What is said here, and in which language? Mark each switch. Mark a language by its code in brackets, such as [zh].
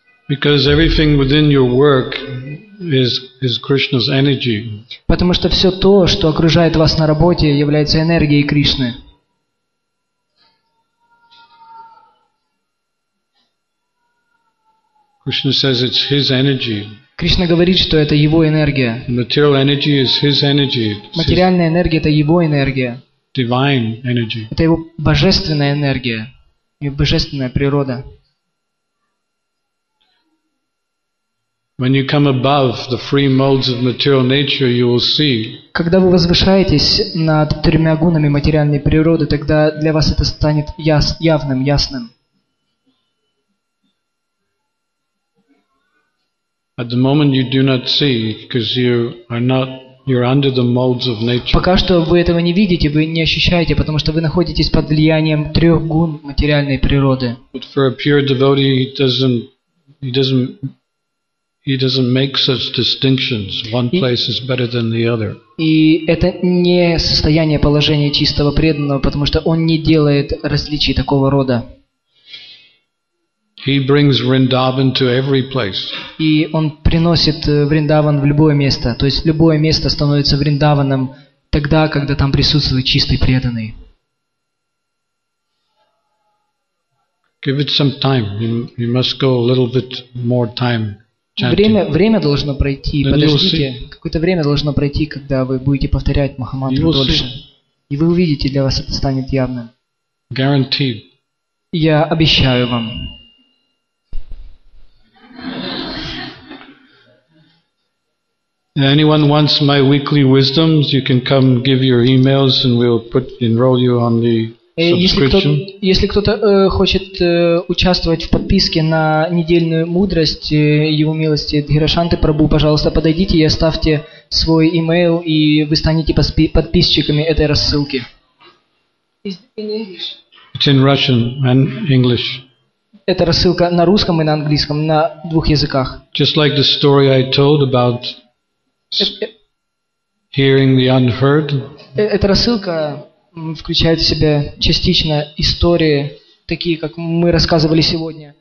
[en] Because everything within your work is Krishna's energy. [ru] Потому что все то, что окружает вас на работе, является энергией Кришны. [en] Krishna says it's his energy. [ru] Кришна говорит, что это его энергия. [en] Material energy is his energy. [ru] Материальная энергия — это его энергия. [en] Divine energy. [ru] Это его божественная энергия, его божественная природа. [en] When you come above the three modes of material nature, you will see. [ru] Когда вы возвышаетесь над тремя гунами материальной природы, тогда для вас это станет явным, ясным. [en] At the moment you do not see, because you're under the modes of nature. [ru] Пока что вы этого не видите, вы не ощущаете, потому что вы находитесь под влиянием трех гун материальной природы. [en] But for a pure devotee, he doesn't make such distinctions. One place is better than the other. [ru] И это не состояние положения чистого преданного, потому что он не делает различий такого рода. [en] He brings Vrindavan to every place. [ru] И он приносит Вриндаван в любое место. То есть любое место становится Вриндаваном тогда, когда там присутствует чистый преданный. [en] Give it some time. You must go a little bit more time. [ru] Время должно пройти. Then подождите. Какое-то время должно пройти, когда вы будете повторять Махамантру дольше. И вы увидите, для вас это станет явным. [en] Guaranteed. [ru] Я обещаю вам. [en] Anyone wants my weekly wisdoms, you can come give your emails and we'll enroll you on the subscription. [ru] Если кто-то хочет участвовать в подписке на недельную мудрость Его милости Дхирашанты Прабу, пожалуйста, подойдите и оставьте свой email, и вы станете подписчиками этой рассылки. [en] It's in Russian and English. [ru] Это рассылка на русском и на английском, на двух языках. [en] Just like the story I told about hearing the unheard. [ru] Эта рассылка включает в себя частично истории, такие, как мы рассказывали сегодня.